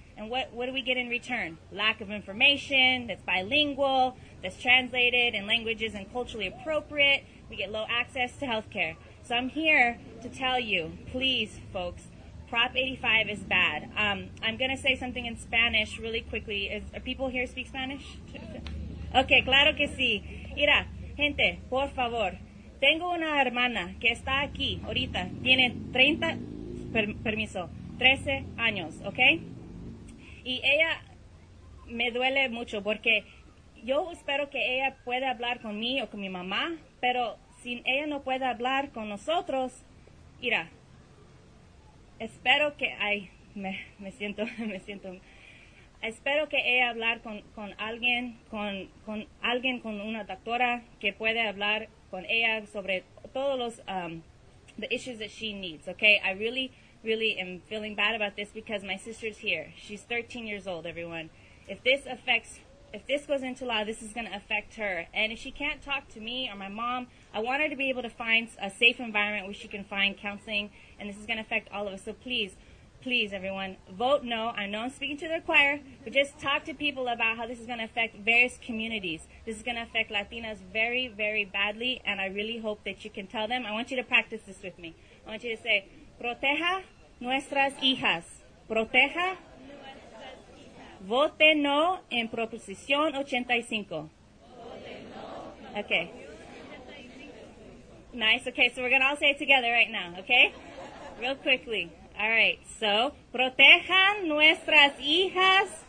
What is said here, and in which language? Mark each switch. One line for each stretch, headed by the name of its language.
English: And what do we get in return? Lack of information that's bilingual, that's translated in languages and culturally appropriate. We get low access to healthcare. So I'm here to tell you, please, folks, Prop 85 is bad. I'm going to say something in Spanish really quickly. Are people here speak Spanish?
Spanish: Okay, claro que sí. Mira, gente, por favor. Tengo una hermana que está aquí ahorita. Tiene 30, permiso, 13 años, okay? Y ella me duele mucho porque yo espero que ella pueda hablar con mí o con mi mamá, pero... si ella no puede hablar con nosotros, mira, espero que, me siento, espero que ella hablar con alguien, con una doctora que puede hablar con ella sobre todos los,
English: the issues that she needs, okay? I really, really am feeling bad about this because my sister's here. She's 13 years old, everyone. If this affects if this goes into law, this is going to affect her. And if she can't talk to me or my mom, I want her to be able to find a safe environment where she can find counseling, and this is going to affect all of us. So please, please, everyone, vote no. I know I'm speaking to the choir, but just talk to people about how this is going to affect various communities. This is going to affect Latinas very, very badly, and I really hope that you can tell them. I want you to practice this with me. I want you to say,
Spanish: proteja nuestras hijas. Proteja. Vote no en Proposición 85. Okay.
English: Nice. Okay, so we're going to all say it together right now, okay? Real quickly. All right.
Spanish: So, protejan nuestras hijas.